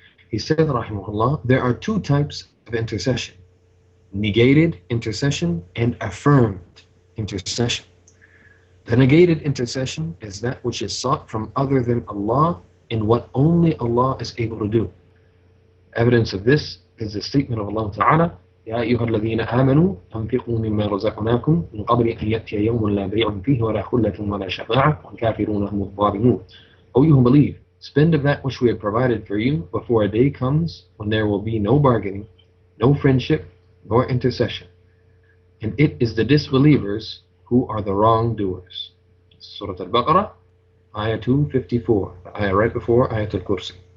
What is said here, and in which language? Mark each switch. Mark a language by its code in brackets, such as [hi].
[en] He said, rahimahullah, there are two types of intercession: negated intercession and affirmed intercession. The negated intercession is that which is sought from other than Allah in what only Allah is able to do. Evidence of this is the statement of Allah Ta'ala [ar] يا أيها الذين آمنوا أنفقوا مما رزقناكم من قبل أن يأتي يوم لا بيع فيه ولا خلة ولا شفاعة والكافرون هم الظالمون. [en] O you who believe, spend of that which we have provided for you before a day comes when there will be no bargaining, no friendship, nor intercession. And it is the disbelievers who are the wrongdoers. Surah Al-Baqarah, Ayah 254, the ayah right before Ayat Al-Kursi.